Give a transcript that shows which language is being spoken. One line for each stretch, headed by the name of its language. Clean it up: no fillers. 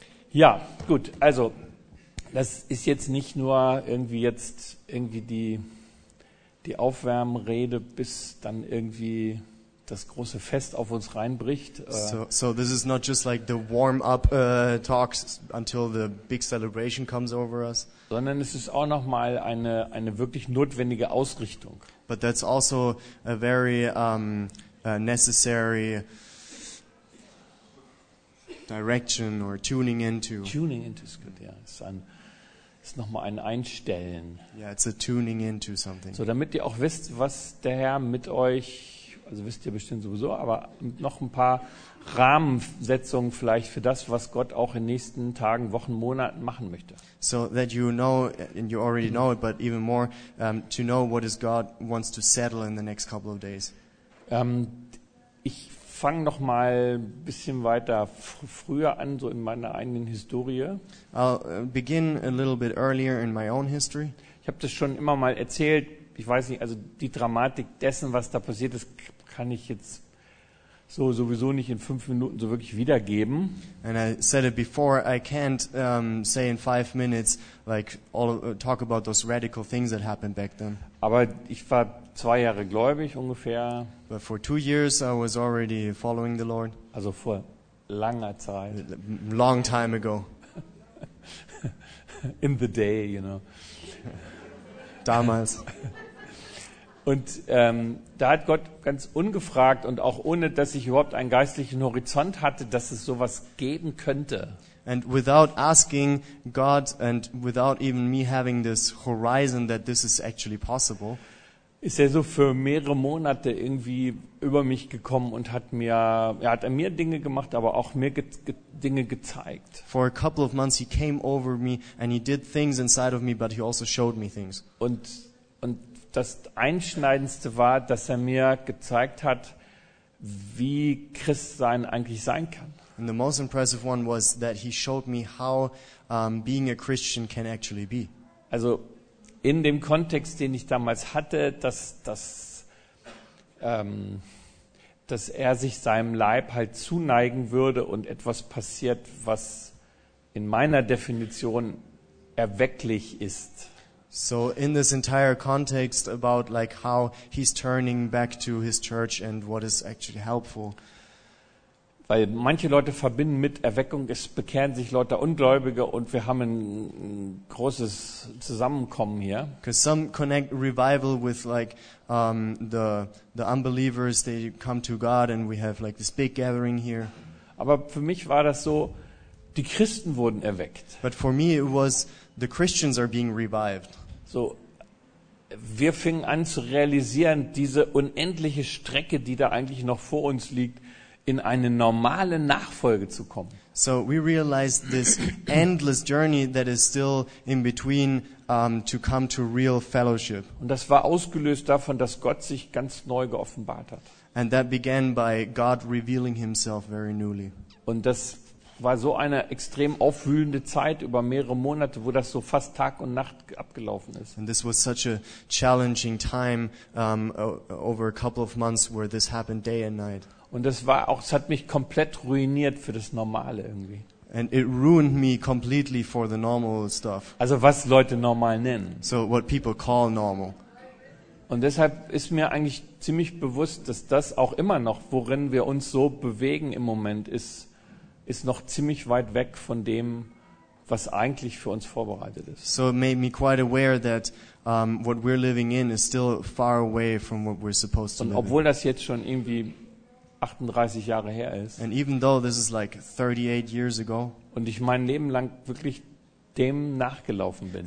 German: Ja, gut, also das ist jetzt nicht nur irgendwie jetzt irgendwie die Aufwärmrede, bis dann irgendwie das große Fest auf uns reinbricht.
English: So this is not just like the warm-up talks until the big celebration comes over us.
German: Sondern es ist auch nochmal eine wirklich notwendige Ausrichtung.
English: But that's also a very necessary direction or tuning into. Tuning into
German: ist gut, ja. Ist nochmal ein Einstellen.
English: Yeah, it's a tuning into something.
German: So, damit ihr auch wisst, was der Herr mit euch, also wisst ihr bestimmt sowieso, aber noch ein paar Rahmensetzungen vielleicht für das, was Gott auch in den nächsten Tagen, Wochen, Monaten machen möchte.
English: So that you know, and you already know it, but even more, to know what is God wants to settle in the next couple of days.
German: Ich fange noch mal ein bisschen weiter früher an, so in meiner eigenen Historie.
English: I'll begin a little bit earlier in my own history.
German: Ich habe das schon immer mal erzählt. Ich weiß nicht, also die Dramatik dessen, was da passiert ist, kann ich jetzt so sowieso nicht in 5 Minuten so wirklich wiedergeben.
English: And I said it before, I can't say in 5 minutes like all talk about those radical things that happened back then.
German: Aber ich war 2 Jahre gläubig ungefähr.
English: But for 2 years I was already following the Lord.
German: Also vor langer Zeit.
English: Long time ago. In the day, you know.
German: Damals. Und da hat Gott ganz ungefragt und auch ohne, dass ich überhaupt einen geistlichen Horizont hatte, dass es sowas geben könnte.
English: And without asking God and without even me having this horizon that this is actually possible,
German: ist er so für mehrere Monate irgendwie über mich gekommen und hat an mir Dinge gemacht, aber auch mir Dinge gezeigt.
English: For a couple of months he came over me and he did things inside of me, but he also showed me things.
German: Und das Einschneidendste war, dass er mir gezeigt hat, wie Christsein eigentlich sein kann.
English: And the most impressive one was that he showed me how being a Christian can actually be.
German: Also in dem Kontext, den ich damals hatte, dass er sich seinem Leib halt zuneigen würde und etwas passiert, was in meiner Definition erwecklich ist.
English: So in this entire context about like how he's turning back to his church and what is actually helpful.
German: Weil manche Leute verbinden mit Erweckung, es bekehren sich Leute Ungläubige und wir haben ein großes Zusammenkommen hier.
English: Because some connect revival with like the unbelievers, they come to God and we have like this big gathering here.
German: Aber für mich war das so, die Christen wurden erweckt.
English: But for me it was the Christians are being revived.
German: So, wir fingen an zu realisieren, diese unendliche Strecke, die da eigentlich noch vor uns liegt, in eine normale Nachfolge zu kommen.
English: So we realized this endless journey that is still in between to come to real fellowship.
German: Und das war ausgelöst davon, dass Gott sich ganz neu geoffenbart hat.
English: And that began by God revealing himself very newly.
German: Und das war so eine extrem aufwühlende Zeit über mehrere Monate, wo das so fast Tag und Nacht abgelaufen ist.
English: And this was such a challenging time over a couple of months where this happened day and night.
German: Und das war auch, es hat mich komplett ruiniert für das Normale irgendwie.
English: And it ruined me completely for the normal stuff.
German: Also was Leute normal nennen.
English: So what people call normal.
German: Und deshalb ist mir eigentlich ziemlich bewusst, dass das auch immer noch, worin wir uns so bewegen im Moment, ist noch ziemlich weit weg von dem, was eigentlich für uns vorbereitet ist.
English: So it made me quite aware that what we're living in is still far away from what we're supposed to live in.
German: Und obwohl das jetzt schon irgendwie 38 Jahre her ist.
English: And even though this is like 38 years ago.
German: Und ich mein Leben lang wirklich dem nachgelaufen bin.